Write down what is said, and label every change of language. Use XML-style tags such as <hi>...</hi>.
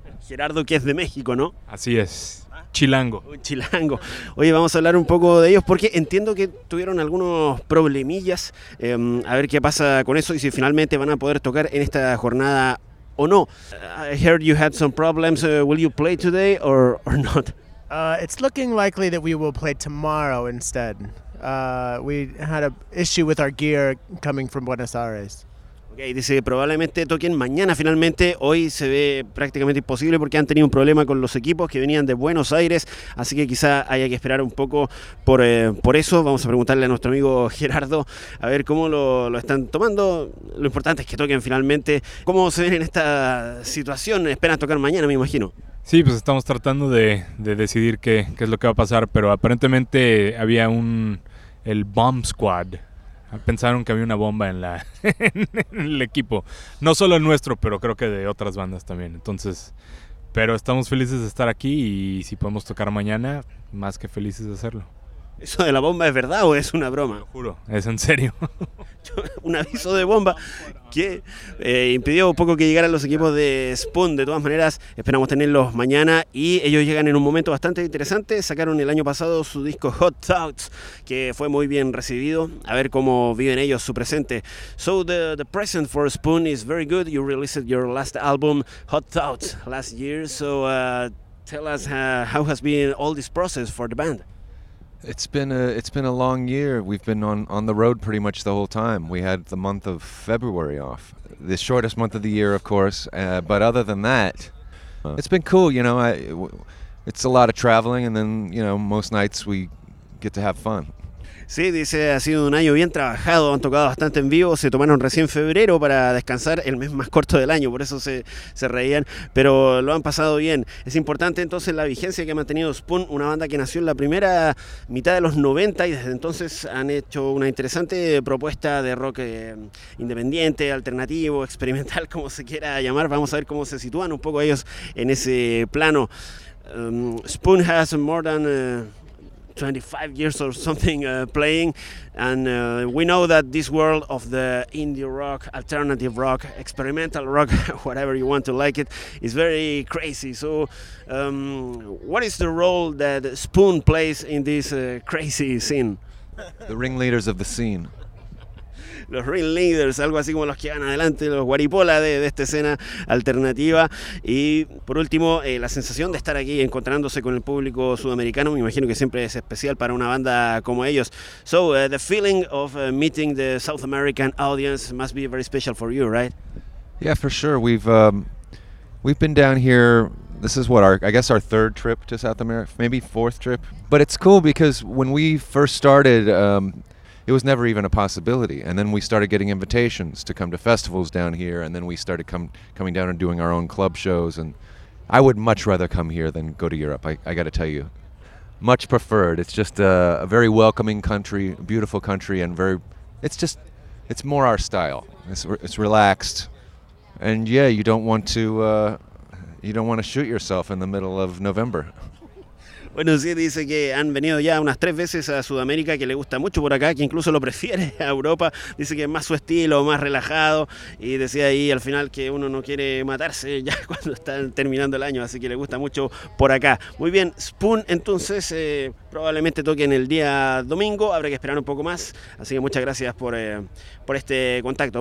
<es>Gerardo, que es de México, ¿no? Así es. Chilango. Un chilango. Oye, vamos a hablar un poco de ellos porque entiendo que tuvieron algunos problemillas. A ver qué pasa con eso y si finalmente van a poder tocar en esta jornada o no.</es> <en>I heard you had some problems. Will you play today or not? It's looking likely that we will play tomorrow instead. We had an issue with our gear coming from Buenos Aires.</en> <es>Okay, dice que probablemente toquen mañana finalmente. Hoy se ve prácticamente imposible porque han tenido un problema con los equipos que venían de Buenos Aires, así que quizá haya que esperar un poco por eso. Vamos a preguntarle a nuestro amigo Gerardo a ver cómo lo están tomando. Lo importante es que toquen finalmente. ¿Cómo se ven en esta situación? ¿Esperan tocar mañana, me imagino? Sí, pues estamos tratando de decidir qué es lo que va a pasar, pero aparentemente había el Bomb Squad. Pensaron que había una bomba en el equipo. No solo el nuestro, pero creo que de otras bandas también. Entonces, pero estamos felices de estar aquí y si podemos tocar mañana, más que felices de hacerlo. ¿Eso de la bomba es verdad o es una broma? Lo juro, es en serio. Un aviso de bomba que impidió un poco que llegaran los equipos de Spoon. De todas maneras, esperamos tenerlos mañana y ellos llegan en un momento bastante interesante. Sacaron el año pasado su disco Hot Thoughts, que fue muy bien recibido. A ver cómo viven ellos su presente.</es> <en>So the present for Spoon is very good. You released your last album, Hot Thoughts, last year. So tell us how has been all this process for the band. It's been a long year. We've been on the road pretty much the whole time. We had the month of February off, the shortest month of the year, of course. But other than that, it's been cool. You know, it's a lot of traveling, and then you know, most nights we get to have fun.</en> <es>Sí, dice, ha sido un año bien trabajado, han tocado bastante en vivo, se tomaron recién febrero para descansar, el mes más corto del año, por eso se reían, pero lo han pasado bien. Es importante entonces la vigencia que ha mantenido Spoon, una banda que nació en la primera mitad de los 90 y desde entonces han hecho una interesante propuesta de rock independiente, alternativo, experimental, como se quiera llamar. Vamos a ver cómo se sitúan un poco ellos en ese plano.</es> <en>Spoon has more than 25 years or something playing, and we know that this world of the indie rock, alternative rock, experimental rock, whatever you want to like it, is very crazy. So what is the role that Spoon plays in this crazy scene? The ringleaders of the scene.</en> <es>Los ringleaders, algo así como los que van adelante, los guaripola de esta escena alternativa. Y por último, la sensación de estar aquí encontrándose con el público sudamericano, me imagino que siempre es especial para una banda como ellos.</es> <en>So, the feeling of meeting the South American audience must be very special for you, right? Yeah, for sure. We've been down here, this is what, our third trip to South America, maybe fourth trip. But it's cool because when we first started, it was never even a possibility, and then we started getting invitations to come to festivals down here, and then we started coming down and doing our own club shows, and I would much rather come here than go to Europe, I gotta tell you. Much preferred. It's just a very welcoming country, beautiful country, and it's more our style. It's relaxed, and yeah, you don't want to shoot yourself in the middle of November.</en> <es>Bueno, sí, dice que han venido ya unas tres veces a Sudamérica, que le gusta mucho por acá, que incluso lo prefiere a Europa. Dice que es más su estilo, más relajado, y decía ahí al final que uno no quiere matarse ya cuando están terminando el año, así que le gusta mucho por acá. Muy bien, Spoon, entonces probablemente toquen el día domingo, habrá que esperar un poco más, así que muchas gracias por este contacto.</es>